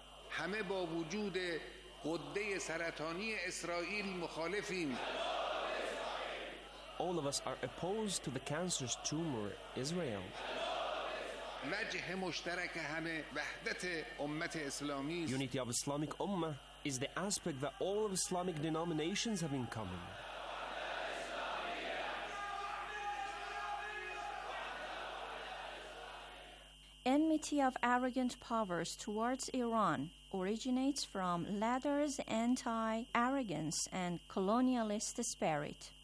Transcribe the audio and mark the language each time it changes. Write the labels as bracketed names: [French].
[Persian] همه با وجود قده سرطانی اسرائیل مخالفیم [English] All of us are opposed to the cancerous tumor Israel [Persian] وجه مشترک همه وحدت امت اسلامی [English] Unity of Islamic Ummah is the aspect that all of Islamic denominations have in common. Enmity of arrogant powers towards Iran originates from Leather's anti-arrogance and colonialist spirit.